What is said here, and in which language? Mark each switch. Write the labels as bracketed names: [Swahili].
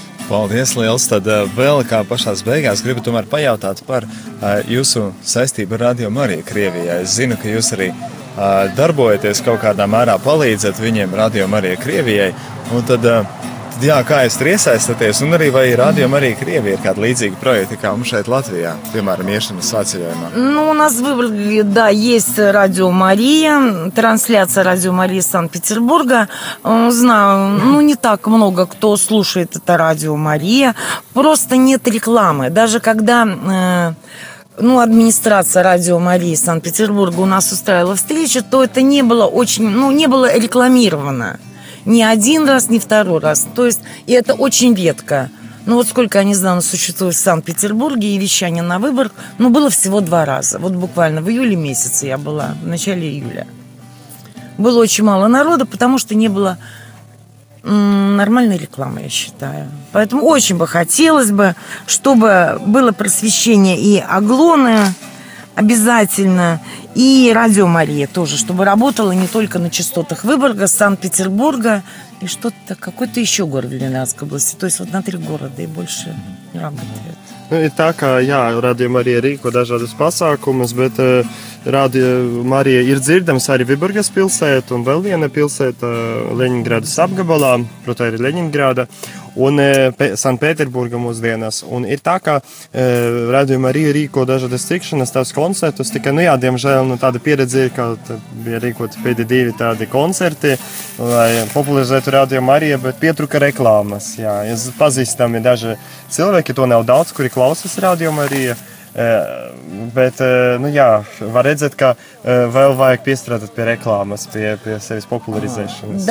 [Latvian] Paldies liels, tad vēl kā pašās beigās gribu tomēr pajautāt par jūsu saistību ar Radio Mariju Krievijā. Es zinu, ka jūs arī darbojaties kaut kādā mērā palīdzat viņiem Radio Mariju Krievijai, un tad... Jā, kā jūs tur iesaistāties, un arī vai Radio Marija Krievija ir kāda līdzīga projekta, kā mums šeit Latvijā, piemēram, iešanas svētceļojumā? [Russian] Nu, у нас выбрали, да, есть Radio Marija, трансляция Radio Marija Санкт-Петербурга. Знаю, ну, не так много, кто слушает это Radio Marija. Просто нет рекламы. Даже когда... Ну, администрация Радио Марии Санкт-Петербурга у нас устраивала встречу, то это не было очень, ну, не было рекламировано. Ни один раз, ни второй раз. То есть, и это очень редко. Ну, вот сколько, я не знаю, существует в Санкт-Петербурге и вещание на выбор, ну, было всего 2 раза. Вот буквально в июле месяце я была, в начале июля. Было очень мало народа, потому что не было нормальной рекламы, я считаю. Поэтому очень бы хотелось бы, чтобы было просвещение и Оглоны обязательно, и Радио Мария тоже, чтобы работала не только на частотах Выборга, Санкт-Петербурга и что-то, какой-то еще город в Ленинградской области, то есть вот на 3 города и больше работает. [Latvian] Nu, ir tā, ka jā, Radio Marija rīko dažādas pasākumas, bet Radio Marija ir dzirdams arī Viborgas pilsēta un vēl viena pilsēta Leņingrādas apgabalā, protams, arī Leņingrāda, un Sanpēterburga mūs vienas. Un ir tā, ka Radio Marija rīko dažādas tikšanas, tās koncertus, tikai, nu jā, diemžēl, nu, tāda pieredze ir, ka bija rīkot pēdējie 2 tādi koncerti, lai popularizētu Radio Marija, bet pietruka reklāmas, jā, es pazīstami daži cilvēki, to nav daudz, kuri klausas Radio Marija, bet, nu jā, var redzēt, ka vēl vajag piestrādāt pie reklāmas, pie sevis popularizēšanas.